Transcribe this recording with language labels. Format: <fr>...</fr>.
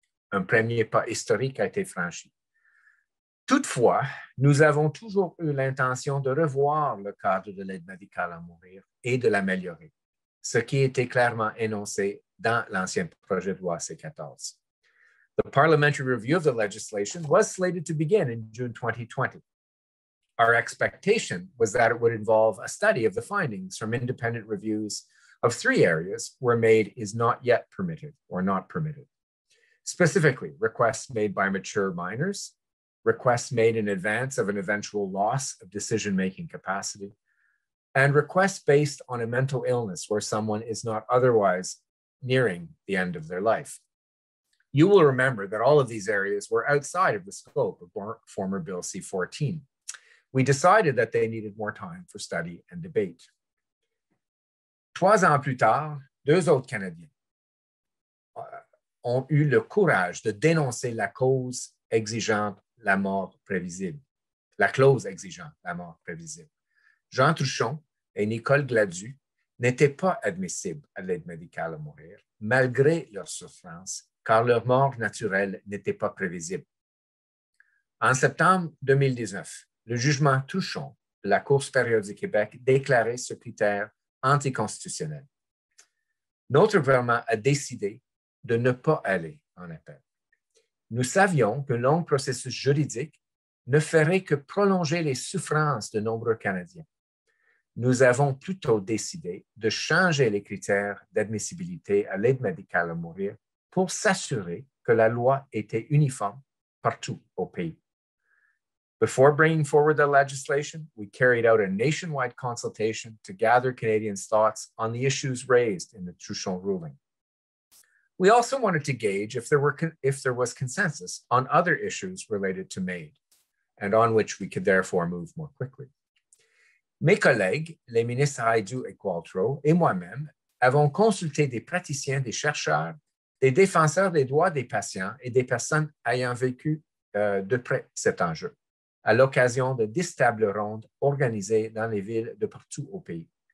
<fr>Un premier pas historique a été franchi. Toutefois, nous avons toujours eu l'intention de revoir le cadre de l'aide médicale à mourir et de l'améliorer, ce qui était clairement énoncé dans l'ancien projet de loi C-14.</fr> <en>The parliamentary review of the legislation was slated to begin in June 2020. Our expectation was that it would involve a study of the findings from independent reviews of three areas where MAID is not yet permitted or not permitted. Specifically, requests made by mature minors, requests made in advance of an eventual loss of decision-making capacity, and requests based on a mental illness where someone is not otherwise nearing the end of their life. You will remember that all of these areas were outside of the scope of former Bill C-14. We decided that they needed more time for study and debate.</en> <fr>Trois ans plus tard, deux autres Canadiens ont eu le courage de dénoncer la cause exigeante la mort prévisible, la clause exigeant la mort prévisible. Jean Truchon et Nicole Gladu n'étaient pas admissibles à l'aide médicale à mourir, malgré leur souffrance, car leur mort naturelle n'était pas prévisible. En septembre 2019, le jugement Truchon de la Cour supérieure du Québec déclarait ce critère anticonstitutionnel. Notre gouvernement a décidé de ne pas aller en appel. Nous savions qu'un long processus juridique ne ferait que prolonger les souffrances de nombreux Canadiens. Nous avons plutôt décidé de changer les critères d'admissibilité à l'aide médicale à mourir pour s'assurer que la loi était uniforme partout au pays.</fr> <en>Before bringing forward the legislation, we carried out a nationwide consultation to gather Canadians' thoughts on the issues raised in the Truchon ruling. We also wanted to gauge if there was consensus on other issues related to MAID and on which we could therefore move more quickly.</en> <fr>Mes collègues, les ministres Haidu et Qualtro, et moi-même avons consulté des praticiens, des chercheurs, des défenseurs des droits des patients et des personnes ayant vécu de près cet enjeu à l'occasion de 10 tables rondes organisées dans les villes de partout au pays.</fr>